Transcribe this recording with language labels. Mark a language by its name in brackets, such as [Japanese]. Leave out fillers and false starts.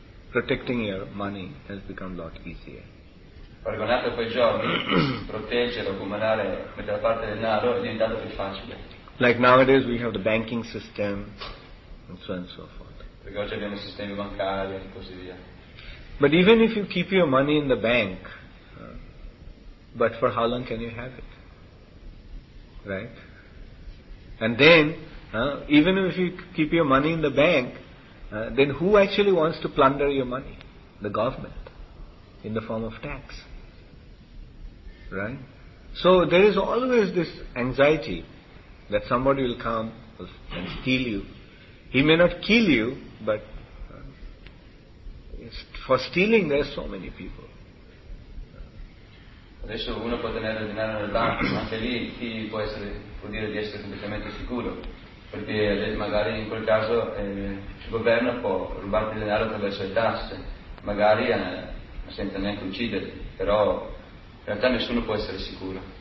[English] Protecting your money has become a lot easier. [Italian] Paragonato a quei giorni, proteggere o accumulare metà parte del denaro è diventato più facile. [English] Like nowadays we have the banking system and so on and so forth. [Italian] Perché oggi abbiamo sistemi bancari e così via. [English] But even if you keep your money in the bank, but for how long can you have it? Right? And then, even if you keep your money in the bank, then who actually wants to plunder your money? The government, in the form of tax. Right? So there is always this anxiety that somebody will come and steal you. He may not kill you, but for stealing there are so many people. [Italian] Adesso uno può tenere il denaro nel banco, ma anche lì chi può, essere, può dire di essere completamente sicuro, perché magari in quel caso il governo può rubarti il denaro attraverso le tasse, magari senza neanche ucciderti, però in realtà nessuno può essere sicuro.